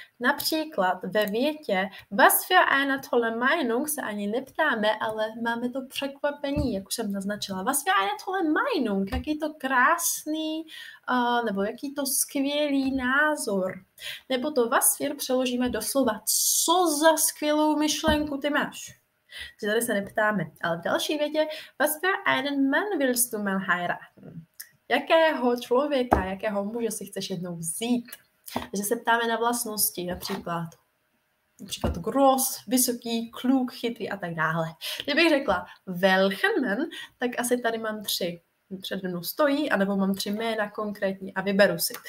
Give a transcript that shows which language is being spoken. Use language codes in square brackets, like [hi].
[cs] Například ve větě [de] was für eine tolle Meinung [cs] se ani neptáme, ale máme to překvapení, jak už jsem naznačila. [de] Was für eine tolle Meinung, [cs] jaký to krásný, nebo jaký to skvělý názor. Nebo to [de] was für [cs] přeložíme do slova, co za skvělou myšlenku ty máš. Že tady se neptáme. Ale v další větě [de] was für einen Mann willst du mal heiraten. [cs] Jakého člověka, jakého muže si chceš jednou vzít. Takže se ptáme na vlastnosti, například gross, vysoký, kluk, chytrý a tak dále. Kdybych řekla welchen, tak asi tady mám tři. Před mnou stojí, anebo mám tři jména konkrétní a vyberu si.